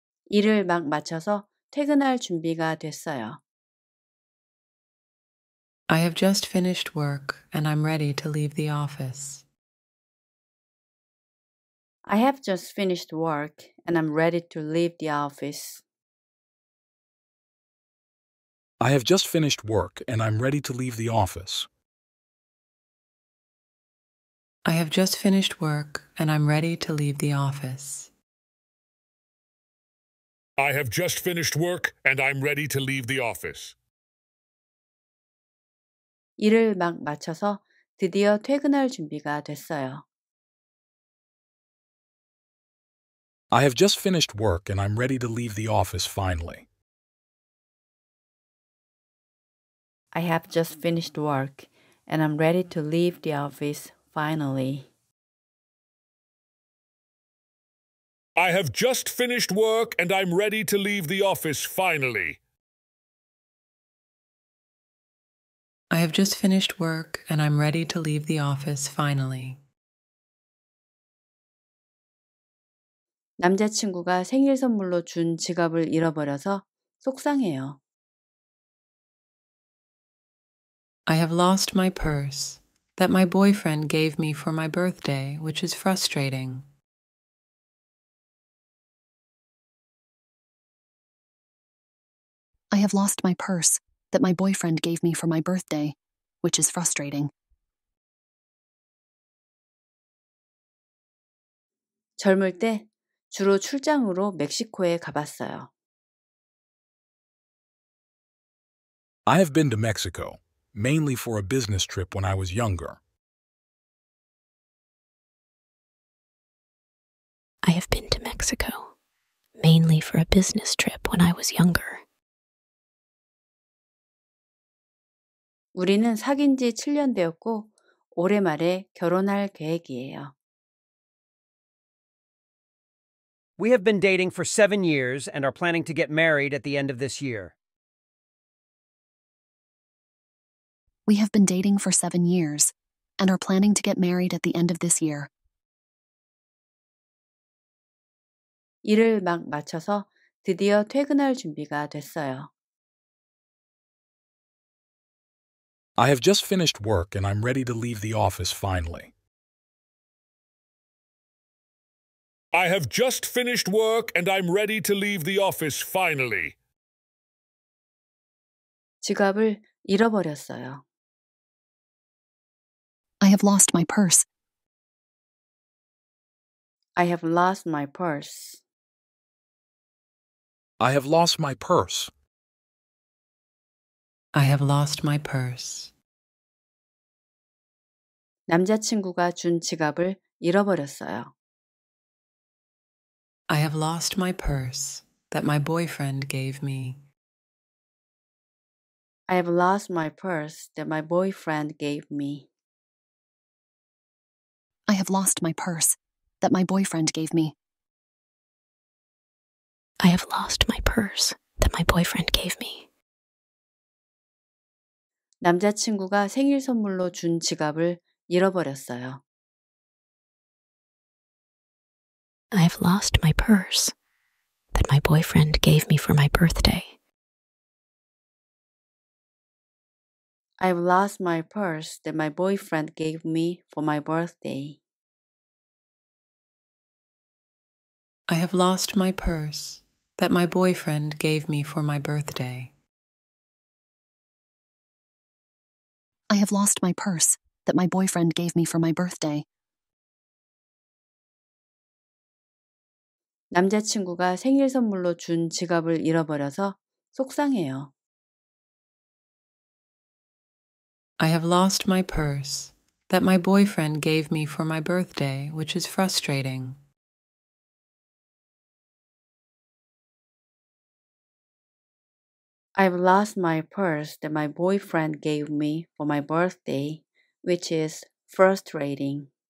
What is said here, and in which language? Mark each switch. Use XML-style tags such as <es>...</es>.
<ko>일을 막 마쳐서 퇴근할 준비가 됐어요.</ko> <en>I have just finished work and I'm ready to leave the office. I have just finished work and I'm ready to leave the office. I have just finished work and I'm ready to leave the office. I have just finished work and I'm ready to leave the office. I have just finished work and I'm ready to leave the office.</en> <ko>일을 막 마쳐서 드디어 퇴근할 준비가 됐어요.</ko> <en>I have just finished work and I'm ready to leave the office finally. I have just finished work and I'm ready to leave the office finally. I have just finished work and I'm ready to leave the office finally. I have just finished work and I'm ready to leave the office finally.</en> <ko>남자친구가 생일 선물로 준 지갑을 잃어버려서 속상해요.</ko> <en>I have lost my purse that my boyfriend gave me for my birthday, which is frustrating. I have lost my purse that my boyfriend gave me for my birthday, which is frustrating.</en> <ko>젊을 때 주로 출장으로 멕시코에 가봤어요.</ko> <en>I have been to Mexico, mainly for a business trip when I was younger. I have been to Mexico, mainly for a business trip when I was younger.</en> <ko>우리는 사귄 지 7년 되었고 올해 말에 결혼할 계획이에요.</ko> <en>We have been dating for 7 years and are planning to get married at the end of this year. We have been dating for 7 years and are planning to get married at the end of this year.</en> <ko>일을 막 마쳐서 드디어 퇴근할 준비가 됐어요.</ko> <en>I have just finished work and I'm ready to leave the office finally. I have just finished work and I'm ready to leave the office finally.</en> <ko>지갑을 잃어버렸어요.</ko> <en>I have lost my purse. I have lost my purse. I have lost my purse. I have lost my purse.</en> <ko>남자친구가 준 지갑을 잃어버렸어요.</ko> <en>I have lost my purse that my boyfriend gave me. I have lost my purse that my boyfriend gave me. I have lost my purse that my boyfriend gave me. I have lost my purse that my boyfriend gave me.</en> <ko>남자친구가 생일 선물로 준 지갑을 잃어버렸어요.</ko> <en>I have lost my purse that my boyfriend gave me for my birthday. I have lost my purse that my boyfriend gave me for my birthday. I have lost my purse that my boyfriend gave me for my birthday. I have lost my purse that my boyfriend gave me for my birthday.</en> <ko>남자친구가 생일 선물로 준 지갑을 잃어버려서 속상해요.</ko> <en>I have lost my purse that my boyfriend gave me for my birthday, which is frustrating. I have lost my purse that my boyfriend gave me for my birthday, which is frustrating.</en>